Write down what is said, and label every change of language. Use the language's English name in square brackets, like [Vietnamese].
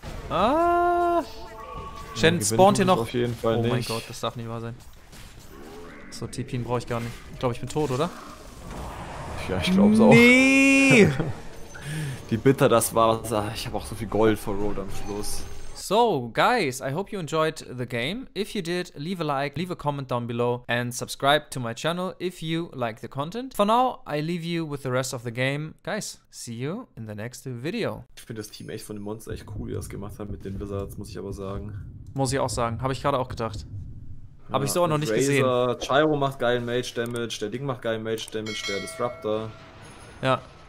[German] Ah! Shen spawnt hier noch. Auf jeden Fall oh nicht. Mein Gott, das darf nicht wahr sein. So, TP'n brauche ich gar nicht. Ich glaube, ich bin tot, oder? Ja, ich glaube es nee. Auch. Nee! Wie bitter das war. Ich habe auch so viel Gold verrollt am Schluss. [English] So, guys, I hope you enjoyed the game. If you did, leave a like, leave a comment down below and subscribe to my channel if you like the content. For now, I leave you with the rest of the game. Guys, see you in the next video. [German] Ich finde das Team echt von den Monstern echt cool, wie das gemacht hat mit den Wizards, muss ich aber sagen. Muss ich auch sagen, habe ich gerade auch gedacht. Habe ich so auch noch nicht gesehen. Chiro macht geilen Mage Damage, der Ding macht geilen Mage Damage, der Disruptor. Ja.